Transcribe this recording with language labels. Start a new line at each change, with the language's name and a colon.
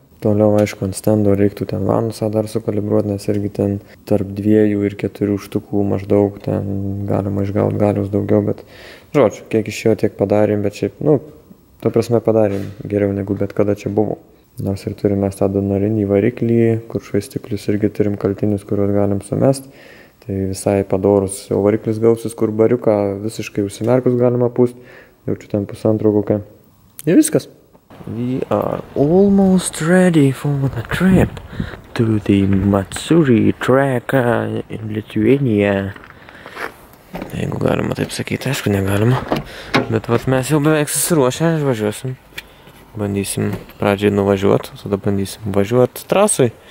Lithuanian: Toliau, aišku, ant stendo reiktų ten vanusą dar sukalibruoti, nes irgi ten tarp 2 ir 4 štukų maždaug ten galima išgauti galius daugiau, bet žodžiu, kiek iš jo tiek padarėm, bet šiaip, nu, to prasme padarėm geriau negu bet kada čia buvo. Nors ir turime tą donorinį variklį, kur švaistiklius irgi turim kaltinius, kuriuos galim sumest, tai visai padorus jau variklis gausis, kur bariuką visiškai užsimerkus galima pūsti, jaučiu ten pusantro kokią. Ir viskas.
English: We are almost ready for the trip to the Matsuri track in Lithuania.
Lithuanian: Jeigu galima taip sakyti, aišku negalima. Bet vat mes jau beveik susiruošę, aš važiuosim. Bandysim pradžiai nuvažiuot, tada bandysim važiuot trasui.